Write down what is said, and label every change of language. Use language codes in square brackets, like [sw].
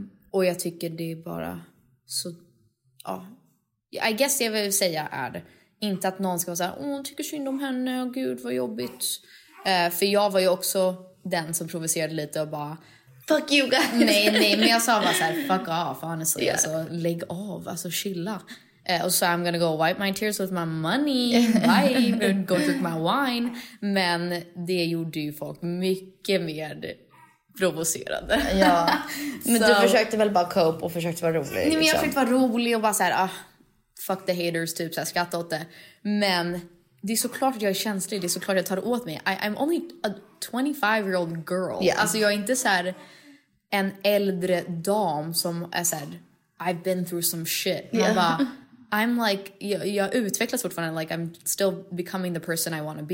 [sv] Och jag tycker det är bara så... Ja. [en] I guess [sv] det jag vill säga är inte att någon ska vara så här, åh, tycker synd om henne, och gud vad jobbigt. För jag var ju också... den som provocerade lite och bara... [en] Fuck you guys! [sv] Nej, men jag sa bara så här, [en] fuck off, honestly. Yeah. [sv] Alltså, lägg av, alltså chilla. Och så [en] I'm gonna go wipe my tears with my money. Bye, go drink my wine. [sv] Men det gjorde ju folk mycket mer provocerade. Ja, men så... du försökte väl bara cope och försökte vara rolig. Nej, men jag försökte vara rolig och bara så här, [en] fuck the haters, [sv] typ så här, skratta åt det. Men... det är såklart att jag är känslig, det är såklart att jag tar åt mig. [en] I'm only a 25-year-old girl. Yeah. [sv] Alltså jag är inte så här en äldre dam som är såhär, [en] I've been through some shit. Yeah. [sv] Man bara, [en] I'm like, [sv] jag utvecklas fortfarande, [en] like I'm still becoming the person I want to be.